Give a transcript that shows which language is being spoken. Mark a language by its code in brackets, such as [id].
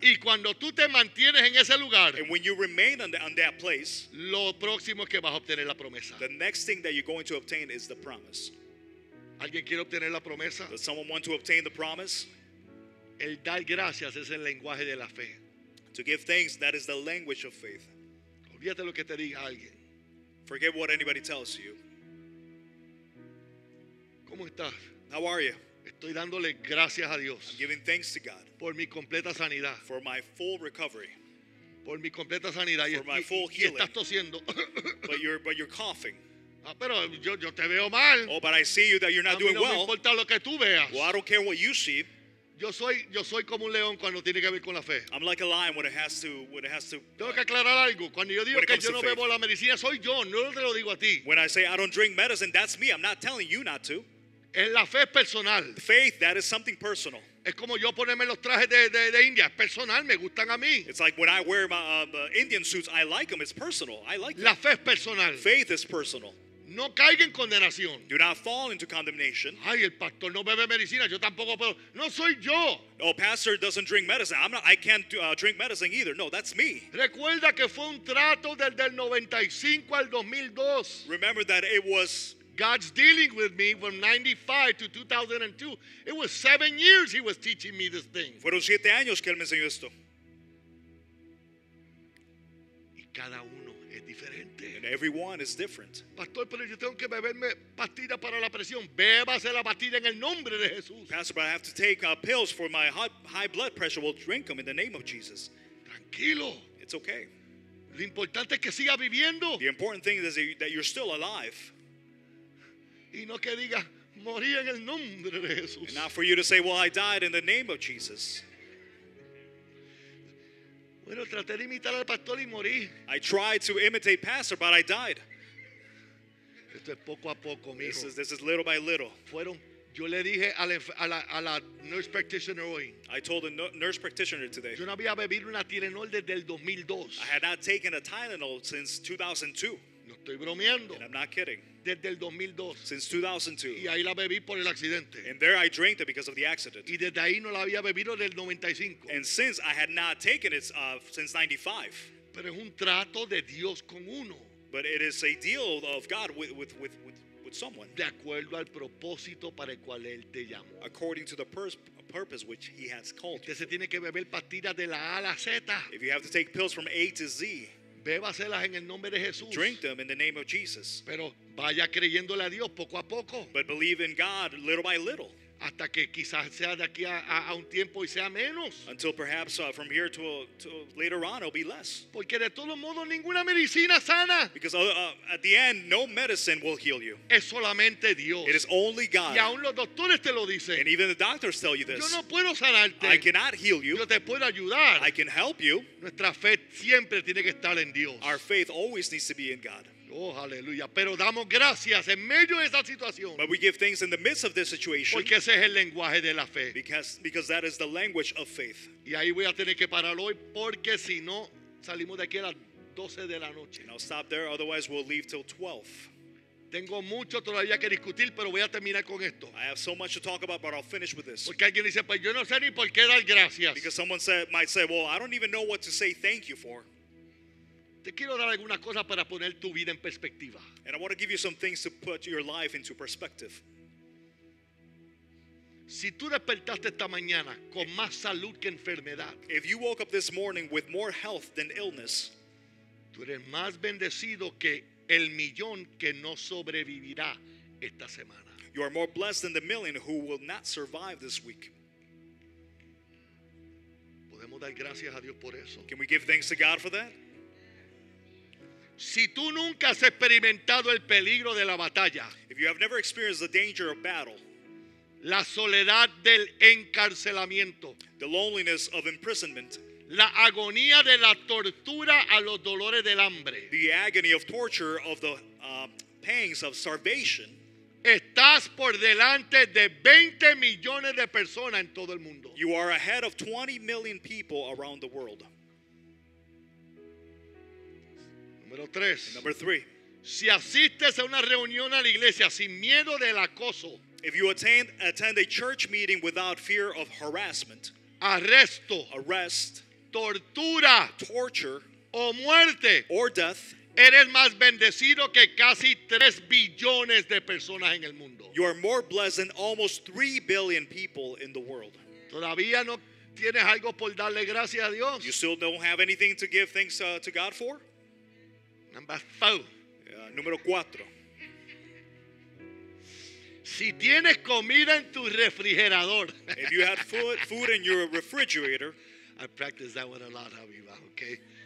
[es] Y cuando tú te mantienes en ese lugar, [en] and when you remain on that place, [es] lo próximo que vas a obtener la promesa. [en] The next thing that you're going to obtain is the promise. [es] ¿Alguien quiere obtener la promesa? [en] Does someone want to obtain the promise? [es] El dar gracias es el lenguaje de la fe. [en] To give thanks, that is the language of faith. [es] Olvídate lo que te diga alguien. [en] Forget what anybody tells you. [es] ¿Cómo estás? [en] How are you? [es] Estoy dándole gracias a Dios. [en] I'm giving thanks to God. [es] Por mi completa sanidad. [en] For my full recovery. [es] Por mi completa sanidad. [en] For my full healing. [es] Y estás tosiendo. [en] But you're coughing. [es] Pero yo te veo mal. [en] Oh, but I see you that you're not doing well. [es] No me importa lo que tú veas. [en] Well, I don't care what you see. [es] Yo soy como un león cuando tiene que ver con la fe. [en] I'm like a lion when it has to. [es] Tengo que aclarar algo. Cuando yo digo que yo no bebo la medicina, soy yo. No te lo digo a ti. [en] When I say I don't drink medicine, that's me. I'm not telling you not to. [es] Es la fe personal. [en] Faith, that is something personal. [es] Es como yo ponerme los trajes de India. Personal, me gustan a mí. [en] It's like when I wear my Indian suits, I like them. It's personal. I like them. [es] La fe personal. [en] Faith is personal. [es] No caiga en condenación. [en] Do not fall into condemnation. [es] Ay, el pastor no bebe medicina. Yo tampoco puedo. No soy yo. [en] Oh, pastor doesn't drink medicine. I can't drink medicine either. No, that's me. [es] Recuerda que fue un trato del 95 al 2002. [en] Remember that it was God's dealing with me from 95 to 2002. It was 7 years he was teaching me this thing. [es] Fueron 7 años que él me enseñó esto. Y cada uno. [en] And everyone is different. [es] Pastor, pero yo tengo que beberme pastillas para la presión. Bébase la pastilla en el nombre de Jesús. [en] Pastor, but I have to take pills for my high blood pressure. We'll drink them in the name of Jesus. [es] Tranquilo. [en] It's okay. [es] Lo importante es que siga viviendo. [en] The important thing is that you're still alive. [es] Y no que diga morí en el nombre de Jesús. [en] And not for you to say, well, I died in the name of Jesus. [es] Bueno, traté de imitar al pastor y morí. [en] I tried to imitate pastor, but I died. [es] Esto es poco a poco, mijo. [en] This is little by little. [es] Fueron, yo le dije a la nurse practitioner hoy. [en] I told the nurse practitioner today. [es] Yo no había bebido una Tylenol desde el 2002. [en] I had not taken a Tylenol since 2002. [es] No estoy bromeando. [en] And I'm not kidding. [es] Desde el 2002. [en] Since 2002. [es] Y ahí la bebí por el accidente. [en] And there I drank it because of the accident. [es] Y desde ahí no la había bebido del 95. [en] And since I had not taken it since 95. [es] Pero es un trato de Dios con uno. [en] But it is a deal of God with someone. [es] De acuerdo al propósito para el cual él te llamó. [en] According to the purpose which he has called you. [es] Usted se tiene que beber pastillas de la A a la Z. [en] If you have to take pills from A to Z. [es] Bébaselas en el nombre de Jesús. [en] Drink them in the name of Jesus. [es] Pero vaya creyéndole a Dios poco a poco. [en] But believe in God little by little. [es] hasta que quizás sea de aquí a un tiempo y sea menos. [en] Until perhaps from here to later on it'll be less. [es] Porque de todo modo ninguna medicina sana. [en] Because at the end no medicine will heal you. [es] Es solamente Dios. [en] It is only God. [es] Y aún los doctores te lo dicen. [en] And even the doctors tell you this. [es] Yo no puedo sanarte. [en] I cannot heal you. [es] Yo te puedo ayudar. [en] I can help you. [es] Nuestra fe siempre tiene que estar en Dios. [en] Our faith always needs to be in God. [es] Oh, aleluya. Pero damos gracias en medio de esa situación. [en] But we give thanks in the midst of this situation. [es] Porque ese es el lenguaje de la fe. [en] Because that is the language of faith. [es] Y ahí voy a tener que parar hoy porque si no salimos de aquí a las 12 de la noche. [en] And I'll stop there, otherwise we'll leave till 12. [es] Tengo mucho todavía que discutir, pero voy a terminar con esto. [en] I have so much to talk about, but I'll finish with this. [es] Porque alguien dice, pues yo no sé ni por qué dar gracias. [en] Because someone might say, well, I don't even know what to say thank you for. [es] Te quiero dar algunas cosas para poner tu vida en perspectiva. [en] And I want to give you some things to put your life into perspective. [es] Si tú despertaste esta mañana con más salud que enfermedad, [en] if you woke up this morning with more health than illness, [es] tú eres más bendecido que el millón que no sobrevivirá esta semana. [en] You are more blessed than the million who will not survive this week. [es] Podemos dar gracias a Dios por eso. [en] Can we give thanks to God for that? [es] Si tú nunca has experimentado el peligro de la batalla, [en] if you have never experienced the danger of battle, [es] la soledad del encarcelamiento, [en] the loneliness of imprisonment, [es] la agonía de la tortura a los dolores del hambre, [en] the agony of torture of the pangs of starvation, [es] estás por delante de 20 millones de personas en todo el mundo. [en] You are ahead of 20 million people around the world. [es] Número tres. [en] Number three. [es] Si asistes a una reunión a la iglesia sin miedo del acoso. [en] If you attend a church meeting without fear of harassment. [es] Arresto. [en] Arrest. [es] Tortura. [en] Torture. [es] O muerte. [en] Or death. [es] Eres más bendecido que casi 3 billones de personas en el mundo. [en] You are more blessed than almost 3 billion people in the world. [es] Todavía no tienes algo por darle gracias a Dios. [en] You still don't have anything to give thanks to God for? Number four. [es] Número cuatro. Si tienes comida en tu refrigerador. [en] If you had food in your refrigerator. I practiced that one a lot, Aviva, okay?